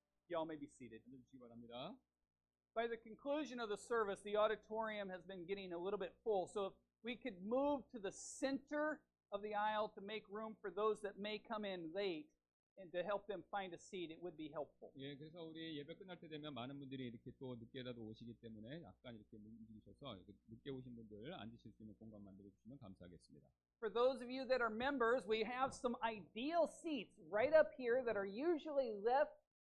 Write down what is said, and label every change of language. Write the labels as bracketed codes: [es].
[en] Y'all may be seated. [ko] 앉으시기 바랍니다. [en] By the conclusion of the service, the auditorium has been getting a little bit full, so if we could move to the center of the aisle to make room for those that may come in late, and to help them find a seat, it would be helpful. [ko] 예, 그래서 우리 예배 끝날 때 되면 많은 분들이 이렇게 또 늦게라도 오시기 때문에 약간 이렇게 움직이셔서 늦게 오신 분들 앉으실 수 있는 공간 만들어 주시면 감사하겠습니다. [en] For those of you that are members, we have some ideal seats right up here that are usually left.